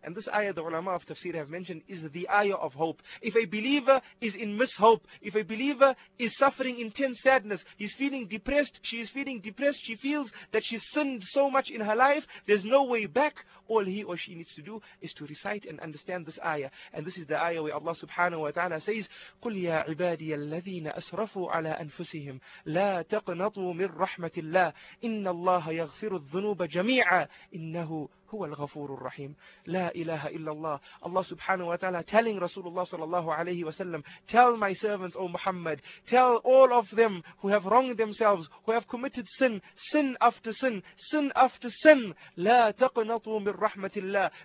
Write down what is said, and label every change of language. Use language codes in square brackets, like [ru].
[en] And this ayah the ulama of tafsir have mentioned is the ayah of hope. If a believer is in mishope, if a believer is suffering intense sadness, he's feeling depressed, she is feeling depressed, she feels that she sinned so much in her life, there's no way back, all he or she needs to do is to recite and understand this ayah. And this is the ayah where Allah subhanahu wa ta'ala says, [ar] قُلْ يَا عِبَادِيَ الَّذِينَ أَسْرَفُوا عَلَىٰ أَنفُسِهِمْ لَا تَقْنَطُوا مِنْ رَحْمَةِ اللَّهِ إِنَّ اللَّهَ يَغْفِرُ الذُّنُوبَ جَمِيعًا إِنَّهُ هُوَ الْغَفُورُ الرَّحِيمُ. لَا إِلَهَ إِلَّا اللَّهُ. [en] Allah subhanahu wa ta'ala telling Rasulullah sallallahu alayhi wa sallam, tell my servants, O Muhammad, tell all of them who have wronged themselves, who have committed sin, sin after sin, sin after sin, [ar] لَا تَقْنَطُوا مِنْ رَحْمَةِ اللَّهِ.